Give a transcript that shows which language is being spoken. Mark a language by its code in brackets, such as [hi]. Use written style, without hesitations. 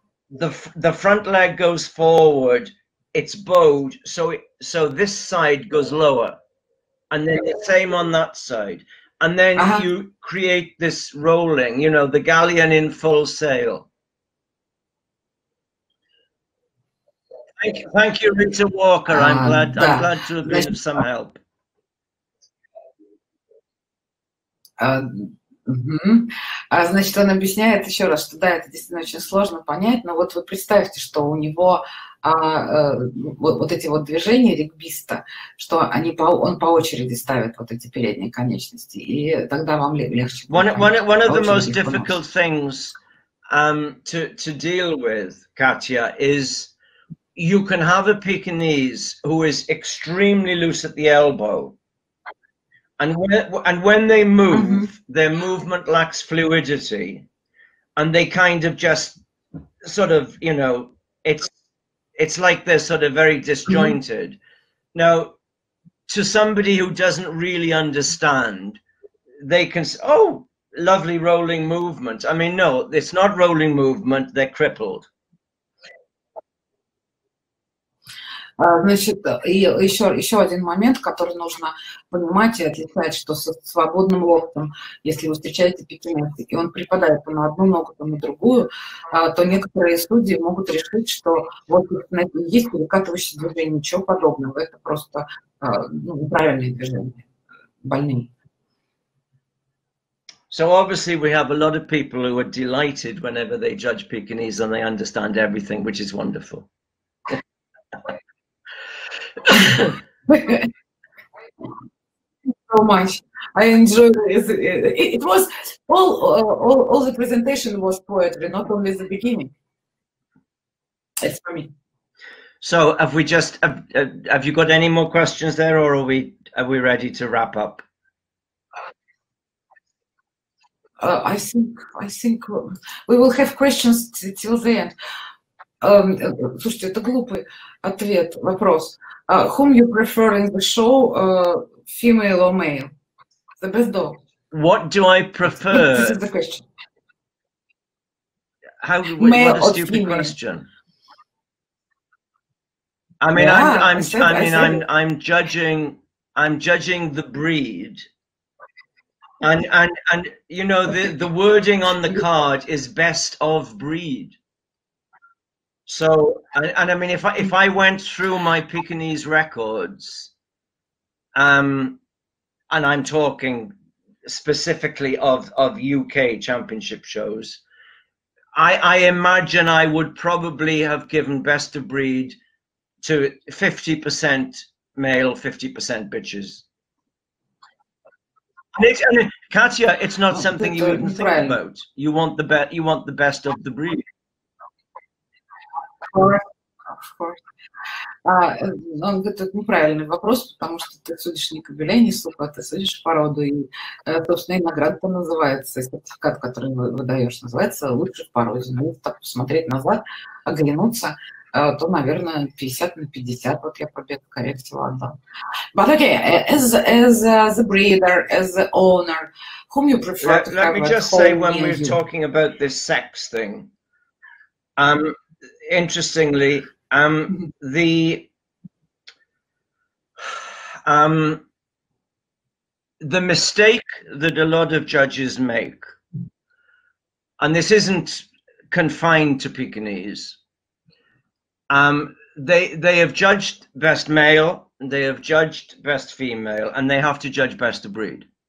[en] The front leg goes forward, it's bowed, so this side goes lower, and then the same on that side, and then you create this rolling, you know, the galleon in full sail. Thank you, Rita Walker. I'm glad to have been of some help. [ru] Значит, он объясняет еще раз, что да, это действительно очень сложно понять, но вот вы представьте, что у него вот эти вот движения регбиста, что они он по очереди ставит вот эти передние конечности, и тогда вам легче. [en] One of the most difficult things to deal with, Katya, is you can have a Pekinese who is extremely loose at the elbow. And when they move, mm-hmm. their movement lacks fluidity, and they kind of just sort of, you know, it's like they're sort of very disjointed. Mm-hmm. Now, to somebody who doesn't really understand, they can say, oh, lovely rolling movement. I mean, no, it's not rolling movement, they're crippled. [ru] Значит, и еще один момент, который нужно понимать и отличать, что со свободным локтем, если вы встречаете пекинеса, и он припадает то на одну ногу, то на другую, то некоторые судьи могут решить, что вот есть перекатывающее движение, ничего подобного, это просто неправильное движение, больные. [en] So obviously we have a lot of people who are delighted whenever they judge Pekinese and they understand everything, which is wonderful. So much. I enjoy it. It was all the presentation was poetry, not only the beginning. It's for me. So have we just have you got any more questions there, or are we ready to wrap up? I think we will have questions till the end. [ru] Слушайте, это глупый ответ, вопрос. [en] Whom you prefer in the show, female or male? The best dog. What do I prefer? This is the question. What a stupid female. Question. I mean, yeah, I'm judging the breed. And you know, the wording on the card is best of breed. So, and I mean, if I went through my Pekinese records, and I'm talking specifically of UK championship shows, I imagine I would probably have given best of breed to 50% male, 50% bitches. And Katya, it's not something you wouldn't think about. You want the best. You want the best of the breed. Of course. [ru] Он говорит, это неправильный вопрос, потому что ты судишь не кобеля, не сука, ты судишь породу. И, собственно, и награда-то называется, сертификат, который выдаешь, называется лучший в породе. Ну, так посмотреть назад, оглянуться, то, наверное, 50 на 50, вот я побег, скорее всего, отдал. [en] But okay, as the breeder, as the owner, whom you prefer to have at home? Let me just say, when we're talking about this sex thing, interestingly, the mistake that a lot of judges make, and this isn't confined to Pekinese, they have judged best male, they have judged best female, and they have to judge best of breed.